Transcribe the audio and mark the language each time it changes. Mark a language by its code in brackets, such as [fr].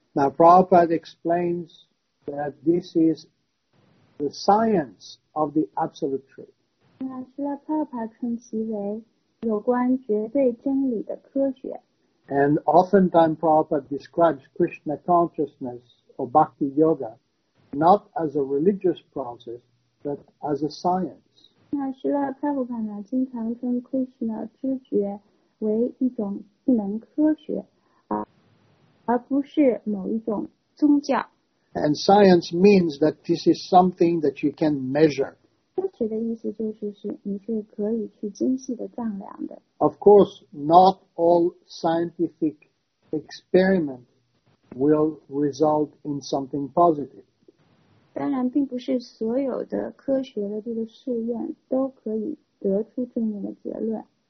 [en] Now Prabhupada explains that this is the science of the absolute truth. [zh] 那释迦帕帕称其为有关绝对真理的科学。 [en] And oftentimes Prabhupada describes Krishna consciousness or Bhakti Yoga. Not as a religious process, but as a science. [zh] 那释迦帕帕呢，经常称 Krishna 知觉为一种一门科学，而不是某一种宗教。 [en] And science means that this is something that you can measure. [zh] 科学的意思就是你是可以去精细的丈量的。 [en] Of course, not all scientific experiments will result in something positive. [zh] 当然并不是所有的科学的这个试验都可以得出正面的结论。